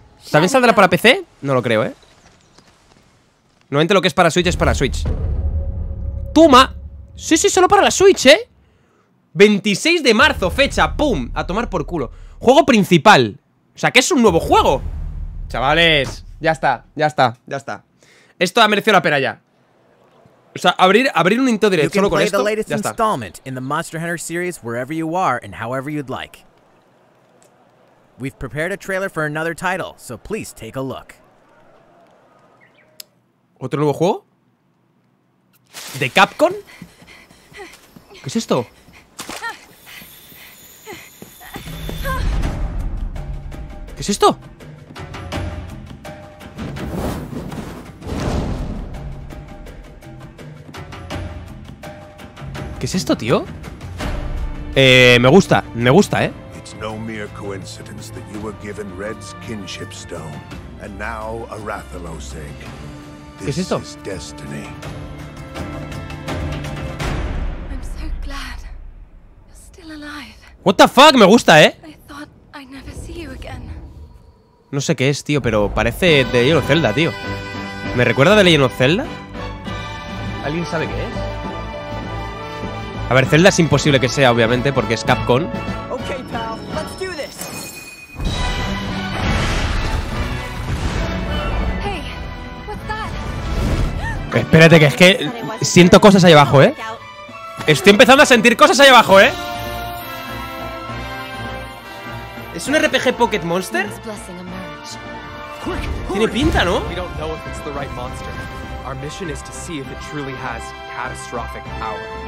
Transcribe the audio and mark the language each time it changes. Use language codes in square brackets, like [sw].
[es] ¿También saldrá para PC? No lo creo, ¿eh? Normalmente lo que es para Switch es para Switch. ¡Toma! Sí, sí, solo para la Switch, ¿eh? 26 de marzo, fecha, ¡pum! A tomar por culo. Juego principal. O sea, que es un nuevo juego. Chavales... Ya está, ya está, ya está. Esto ha merecido la pena ya. O sea, abrir un Nintendo Direct solo con esto, ya está. [en] You can play the latest installment in the Monster Hunter series wherever you are and however you'd like. We've prepared a trailer for another title, so please take a look. [es] ¿Otro nuevo juego? ¿De Capcom? ¿Qué es esto? ¿Qué es esto? ¿Qué es esto, tío? Me gusta, ¿eh? [en] It's no mere coincidence that you were given Red's kinship stone and now Arathalos egg. [es] ¿Qué es esto? [en] This is destiny. I'm so glad you're still alive. What the fuck, [es] me gusta, ¿eh? [en] I thought I'd never see you again. [es] No sé qué es, tío, pero parece The Legend of Zelda, tío. ¿Me recuerda The Legend of Zelda? ¿Alguien sabe qué es? A ver, Zelda es imposible que sea, obviamente, porque es Capcom. [en] Okay, pal, let's do this. Hey, what's that? [es] Espérate, que es que siento cosas ahí abajo, ¿eh? Estoy empezando a sentir cosas ahí abajo, ¿eh? ¿Es un RPG Pocket Monster? Tiene pinta, ¿no? [en] We don't know if it's the right monster. Our mission is to see if it truly has catastrophic power.